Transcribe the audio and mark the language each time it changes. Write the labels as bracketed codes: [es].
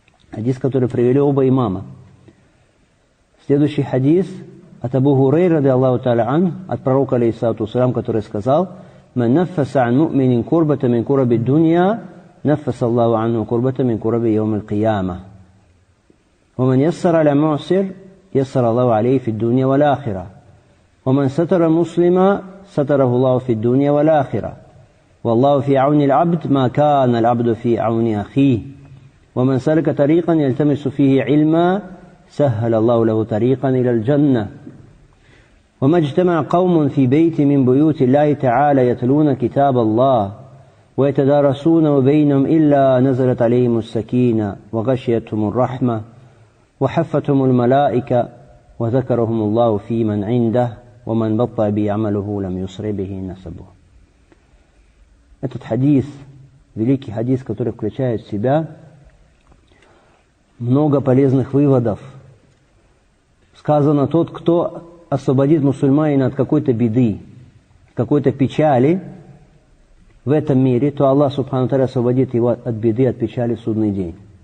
[ru] Хадис, который привели оба имама. Следующий хадис от Абу Хурейры, ради Аллаху тааля ан, от пророка, алейхиссалату вассалям, который сказал: [ar] «Ман наффаса ан муъминин курбата мин курби дунья, наффаса Аллаху анху курбата мин курби йаум аль-кияма. Ва ман яссара ля мусир, يسر الله عليه في الدنيا والآخرة. ومن ستر مسلما ستره الله في الدنيا والآخرة. والله في عون العبد ما كان العبد في عون أخيه. ومن سلك طريقا يلتمس فيه علما سهل الله له طريقا إلى الجنة. وما اجتمع قوم في بيت من بيوت الله تعالى يتلون كتاب الله ويتدارسون وبينهم إلا نزلت عليهم السكينة وغشيتهم الرحمة وحفتهم الملائكة وذكرهم الله في من عنده ومن بطأ بعمله لم يسر به نسبه». [ru] Этот хадис, великий хадис, который включает в себя много полезных выводов. Сказано: тот, кто освободит мусульманина от какой-то беды, какой-то печали в этом мире, то Аллах, субхану тааля, освободит его от беды, от печали в судный день.